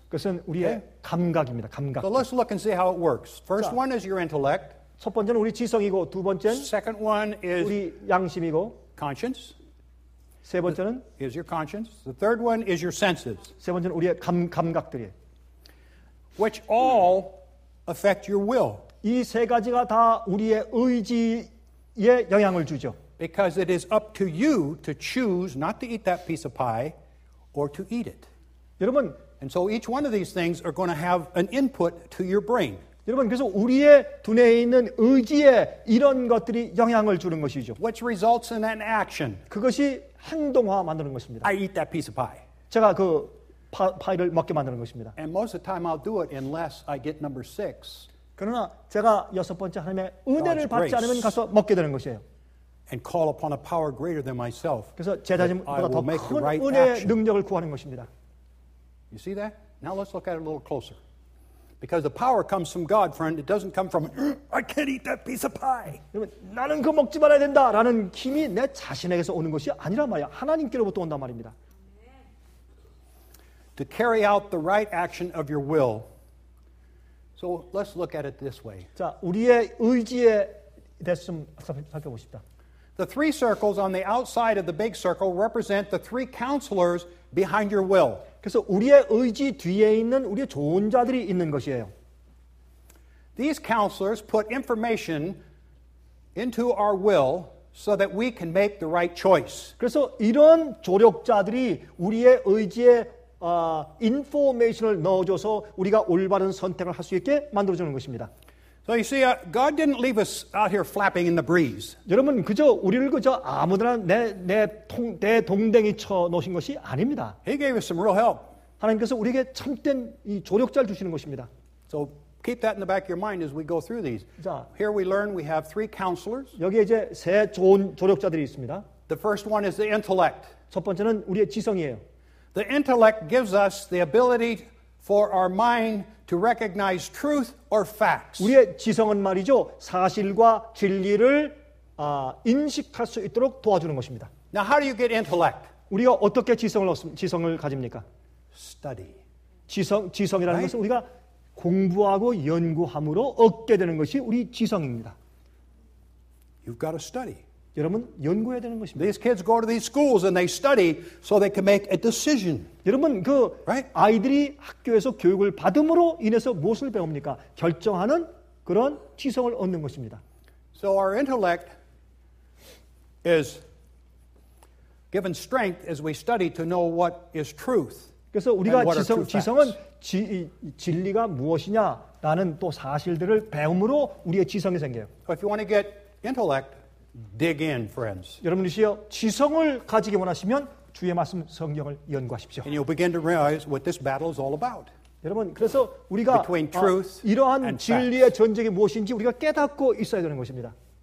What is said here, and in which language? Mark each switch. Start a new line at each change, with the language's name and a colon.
Korean: 그것은 우리의
English: okay?
Korean: 감각입니다. 감각.
English: So let's look and see how it works. First
Korean: 자,
English: one is your intellect.
Korean: 첫 번째는 우리 지성이고 두 번째는
English: Second one is
Korean: 우리 양심이고
English: conscience.
Korean: 세 번째는
English: the, is your conscience. The third one is your senses.
Korean: 세 번째는 우리의 감각들이에요.
English: Which all affect your will.
Korean: 이 세 가지가 다 우리의 의지에 영향을 주죠.
English: Because it is up to you to choose not to eat that piece of pie or to eat it.
Korean: 여러분,
English: and so each one of these things are going to have an input to your brain.
Korean: 여러분, 그래서 우리의 두뇌에 있는 의지에 이런 것들이 영향을 주는 것이죠.
English: Which results in an action.
Korean: 그것이 행동화 만드는 것입니다.
English: I eat that piece of pie.
Korean: 제가 그 파이를 먹게 만드는 것입니다.
English: And most of the time I'll do it unless I get number six.
Korean: 그러나 제가 여섯 번째 하나님의 은혜를
English: God's
Korean: 받지 않으면 가서 먹게 되는 것이에요.
English: And call upon a power greater than myself.
Korean: 그래서 제 자신보다 더 큰
English: right
Korean: 은혜 능력을 구하는 것입니다.
English: You see that? Now let's look at it a little closer. Because the power comes from God, friend. It doesn't come from I can't eat that piece of pie.
Korean: 여러분, 나는 그 먹지 말아야 된다라는 힘이 내 자신에게서 오는 것이 아니라 말이야. 하나님께로부터 온단 말입니다.
English: To carry out the right action of your will. So let's look at it this way.
Korean: 자, 우리의 의지에 대해서 좀 살펴보십시다.
English: The three circles on the outside of the big circle represent the three counselors behind your will.
Korean: 그래서 우리의 의지 뒤에 있는 우리의 조언자들이 있는 것이에요.
English: These counselors put information into our will so that we can make the right choice.
Korean: 그래서 이런 조력자들이 우리의 의지에 인포메이션을 넣어줘서 우리가 올바른 선택을 할 수 있게 만들어주는 것입니다.
English: So you see, God didn't leave us out here flapping in the breeze.
Korean: 여러분 그저 우리를 그저 아무데나 내 동댕이 쳐 놓으신 것이 아닙니다.
English: He gave us some real help.
Korean: 하나님께서 우리에게 참된 이 조력자를 주시는 것입니다.
English: So keep that in the back of your mind as we go through these.
Korean: 자,
English: here we learn we have three counselors.
Korean: 여기 이제 세 좋은 조력자들이 있습니다.
English: The first one is the intellect.
Korean: 첫 번째는 우리의 지성이에요.
English: The intellect gives us the ability for our mind to recognize truth or facts.
Korean: 우리의 지성은 말이죠. 사실과 진리를 인식할 수 있도록 도와주는 것입니다.
English: Now how do you get intellect?
Korean: 우리가 어떻게 지성을 가집니까?
English: Study.
Korean: 지성이라는
English: right?
Korean: 것은 우리가 공부하고 연구함으로 얻게 되는 것이 우리 지성입니다.
English: You've got to study.
Korean: 여러분 연구해야 되는 것입니다.
English: These kids go to these schools and they study so they can make a decision.
Korean: 여러분 그
English: right?
Korean: 아이들이 학교에서 교육을 받음으로 인해서 무엇을 배웁니까? 결정하는 그런 지성을 얻는 것입니다.
English: So our intellect is given strength as we study to know what is truth.
Korean: 그래서 우리가 지성은 진리가 무엇이냐라는 또 사실들을 배움으로 우리의 지성이 생겨요.
English: So if you want to get intellect, dig in, friends.
Korean: 여러분이시여 지성을 가지기 원하시면 주의 말씀 성경을 연구하십시오.
English: And you'll begin to realize what this battle is all about.
Korean: 여러분 그래서 우리가
English: between truth
Korean: 이러한
English: and
Korean: 진리의
English: facts.
Korean: 전쟁이 무엇인지 우리가 깨닫고 있어야 되는 것입니다.